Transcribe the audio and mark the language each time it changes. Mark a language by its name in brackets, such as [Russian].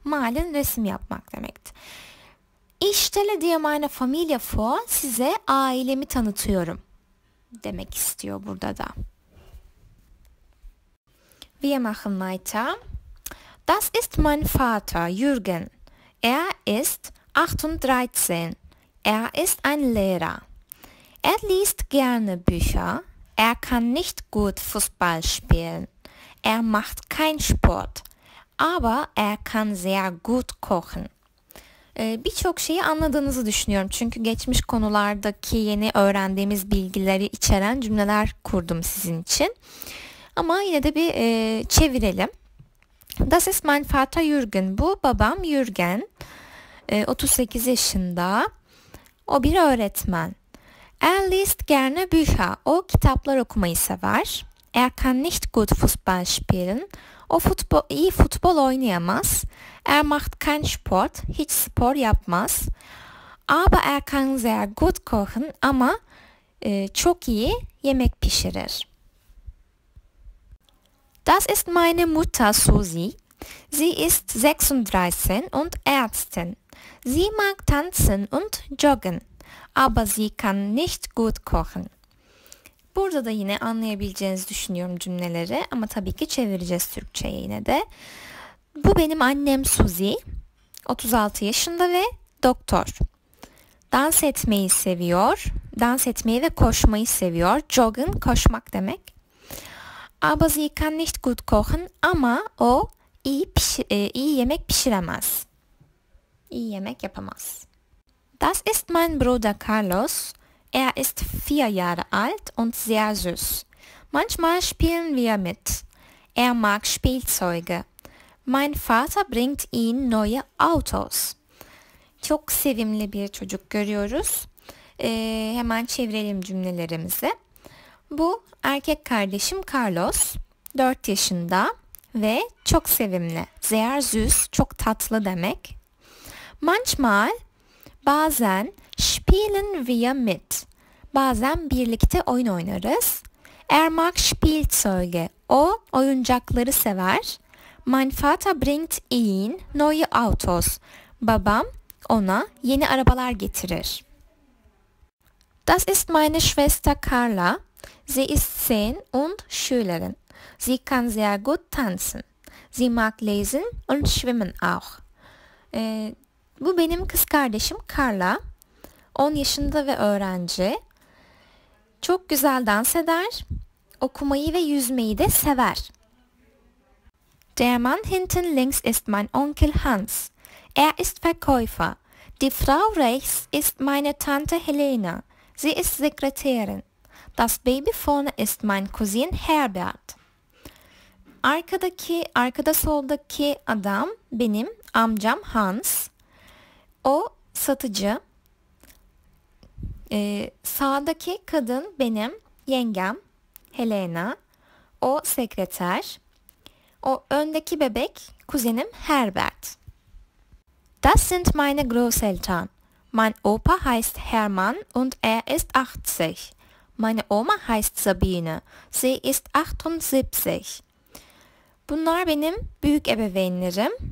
[Turkish] Malen resim yapmak demekti. [German] Ich stelle dir meine Familie vor. [Turkish] Size ailemi tanıtıyorum demek istiyor burada da. [German] Wir machen weiter. Das ist mein Vater, Jürgen. Er ist 38. Er ist ein Lehrer. Er liest gerne Bücher. Er kann nicht gut Fußball spielen. Er macht kein Sport. Aber er kann sehr gut kochen. [Turkish] Birçok şeyi anladığınızı düşünüyorum. Çünkü geçmiş konulardaki yeni öğrendiğimiz bilgileri içeren cümleler kurdum sizin için. Ama yine de bir çevirelim. Das ist mein Vater Jürgen. Bu babam Jürgen. 38 yaşında. O bir öğretmen. [German] Er liest gerne Bücher. [Turkish] O kitaplar okumayı sever. [German] Er kann nicht gut Fußball spielen. [Turkish] O iyi futbol oynayamaz. [German] Er macht kein Sport. [Turkish] Hiç spor yapmaz. [German] Aber er kann sehr gut kochen. [Turkish] Ama çok iyi yemek pişirir. [German] Das ist meine Mutter Susi. Sie ist 36 und Ärztin. Sie mag tanzen und joggen. Aber sie kann nicht gut kochen. [Turkish] Burada da yine anlayabileceğinizi düşünüyorum cümleleri, ama tabii ki çevireceğiz Türkçe'ye yine de. Bu benim annem Suzy, 36 yaşında ve doktor. Dans etmeyi seviyor, dans etmeyi ve koşmayı seviyor. Joggen, koşmak demek. [German] Aber sie kann nicht gut kochen, [Turkish] ama o iyi yemek pişiremez. İyi yemek yapamaz. [German] Das ist mein Bruder Carlos. Er ist 4 Jahre alt und sehr süß. Manchmal spielen wir mit. Er mag Spielzeuge. Mein Vater bringt ihm neue Autos. [Turkish] Çok sevimli bir çocuk görüyoruz. Hemen çevirelim cümlelerimizi. Bu erkek kardeşim Carlos, 4 yaşında ve çok sevimli. [German] Sehr süß, [Turkish] çok tatlı demek. [German] Manchmal, bazen spielen wir mit. [Turkish] Bazen birlikte oyun oynarız. [German] Er mag Spielzeuge. [Turkish] O oyuncakları sever. [German] Mein Vater bringt ihn neue Autos. [Turkish] Babam ona yeni arabalar getirir. [German] Das ist meine Schwester Carla. Sie ist 10 und Schülerin. Sie kann sehr gut tanzen. Sie mag lesen und schwimmen auch. [Turkish] Bu benim kız kardeşim Carla. 10 yaşında ve öğrenci. Çok güzel dans eder. Okumayı ve yüzmeyi de sever. [German] Der Mann hinten links ist mein Onkel Hans. Er ist Verkäufer. Die Frau rechts ist meine Tante Helena. Sie ist Sekretärin. Das Baby vorne ist mein Cousin Herbert. [Turkish] Arkada soldaki adam benim amcam Hans. O satıcı. Sağdaki kadın benim yengem Helena. O sekreter. O öndeki bebek kuzenim Herbert. [German] Das sind meine Großeltern. Mein Opa heißt Hermann und ist 80. Meine Oma heißt Sabine. Sie ist 78. [Turkish] Bunlar benim büyük ebeveynlerim.